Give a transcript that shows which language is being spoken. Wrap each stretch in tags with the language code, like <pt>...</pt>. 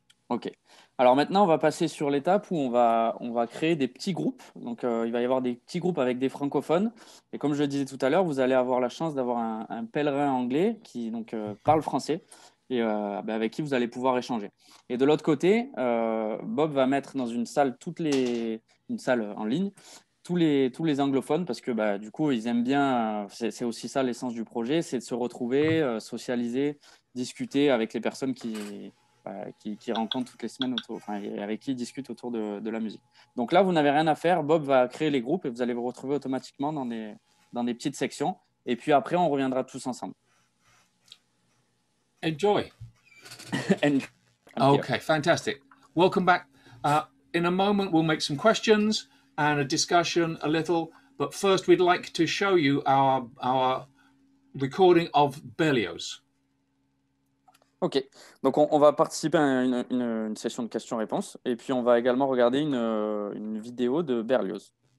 <en>OK.</en> <fr>Alors maintenant, on va passer sur l'étape où on va créer des petits groupes. Donc, il va y avoir des petits groupes avec des francophones. Et comme je le disais tout à l'heure, vous allez avoir la chance d'avoir un pèlerin anglais qui donc, parle français et avec qui vous allez pouvoir échanger. Et de l'autre côté, Bob va mettre dans une salle une salle en ligne tous les anglophones parce que bah, du coup ils aiment bien, c'est aussi ça l'essence du projet, c'est de se retrouver, socialiser, discuter avec les personnes qui rencontrent toutes les semaines et avec qui ils discutent autour de la musique. Donc là vous n'avez rien à faire, Bob va créer les groupes et vous allez vous retrouver automatiquement dans des petites sections et puis après on reviendra tous ensemble.</fr> <en>Enjoy. Enjoy. Okay, fantastic. Welcome back. In a moment we'll make some questions and a discussion a little, but first we'd like to show you our recording of Berlioz.</en> <fr>Ok, donc on va participer à une session de questions-réponses et puis on va également regarder une vidéo de Berlioz.</fr>